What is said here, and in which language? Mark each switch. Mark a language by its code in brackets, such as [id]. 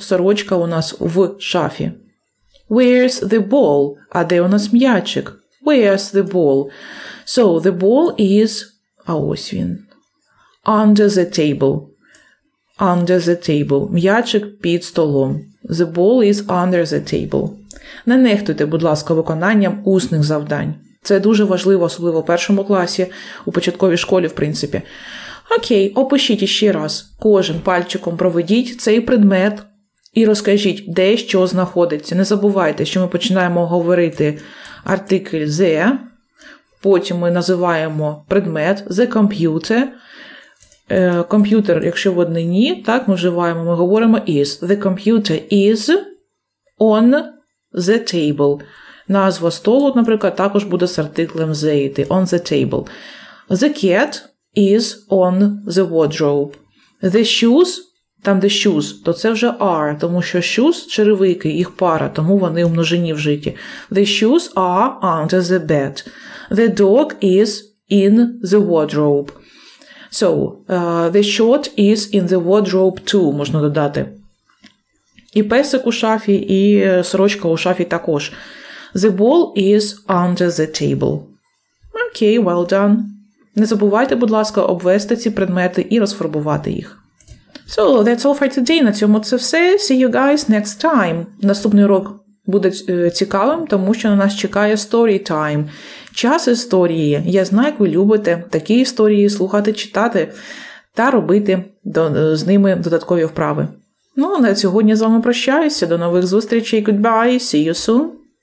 [uk] Сорочка у нас в шафі. [en] Where's the ball? [uk] А де у нас м'ячик? [en] Where's the ball? So, the ball is... [uk] А ось він. [en] Under the table. Under the table. [uk] М'ячик під столом. [en] The ball is under the table. [uk] Не нехтуйте, будь ласка, виконанням усних завдань. Це дуже важливо, особливо в першому класі, у початковій школі, в принципі. Окей, опишіть ще раз. Кожен пальчиком проведіть цей предмет і розкажіть, де що знаходиться. Не забувайте, що ми починаємо говорити артикль «the», потім ми називаємо предмет «the computer». Комп'ютер, якщо в однині, так, ми вживаємо, ми говоримо is. [en] The computer is on the table. [uk] Назва столу, наприклад, також буде з артиклем зайти – [en] on the table. The cat is on the wardrobe. [uk] The shoes – там, де shoes, то це вже are, тому що shoes – черевики, їх пара, тому вони умножені в житті. [en] The shoes are under the bed. The dog is in the wardrobe. So, the shirt is in the wardrobe too, [uk] можна додати. І песик у шафі, і сорочка у шафі також. [en] The ball is under the table. Okay, well done. [uk] Не забувайте, будь ласка, обвести ці предмети і розфарбувати їх. [en] So, that's all for today. [uk] На цьому це все. [en] See you guys next time. [uk] Наступний урок буде цікавим, тому що на нас чекає story time. Час історії. Я знаю, як ви любите такі історії слухати, читати та робити з ними додаткові вправи. Ну, на сьогодні з вами прощаюся. До нових зустрічей. [en] Goodbye. See you soon.